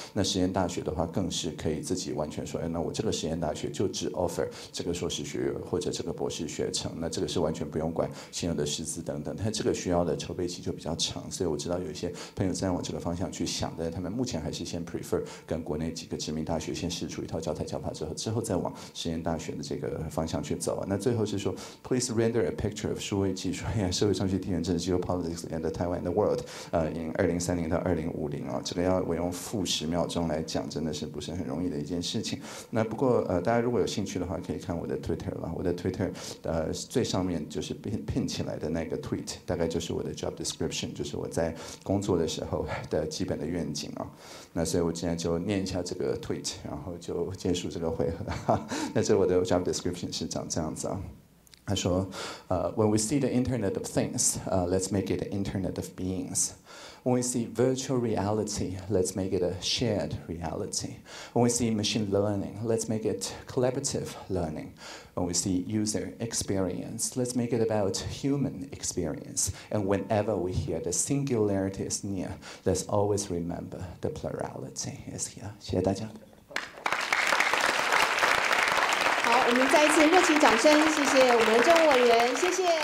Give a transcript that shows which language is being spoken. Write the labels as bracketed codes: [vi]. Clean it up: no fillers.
[zh] 那实验大学的话，更是可以自己完全说，那我这个实验大学就只 offer 这个硕士学位或者这个博士学程，那这个是完全不用管现有的师资等等。但这个需要的筹备期就比较长，所以我知道有一些朋友正在往这个方向去想，但他们目前还是先 prefer 跟国内几个知名大学先试出一套教材教法之后再往实验大学的这个方向去走。那最后是说 ， [en] Please render a picture of [zh] 数位技术、社会上去地缘政治 [en] geopolitics and Taiwan and the world。 [zh] in 2030-2050、这个要我用负十秒钟来讲，真的是不是很容易的一件事情。那不过大家如果有兴趣的话，可以看我的 Twitter 吧。我的 Twitter 最上面就是 pin 起来的那个 tweet， 大概就是我的 job description， 就是我在工作的时候的基本的愿景啊。那所以我今天就念一下这个 tweet， 然后就结束这个回合。那这我的 job description 是长这样子啊。他说 [en] when we see the internet of things, let's make it the internet of beings. When we see virtual reality, let's make it a shared reality. When we see machine learning, let's make it collaborative learning. When we see user experience, let's make it about human experience. And whenever we hear the singularity is near, let's always remember the plurality is here. [zh] 谢谢大家。我们再一次热情掌声，谢谢我们的政务委员，谢谢。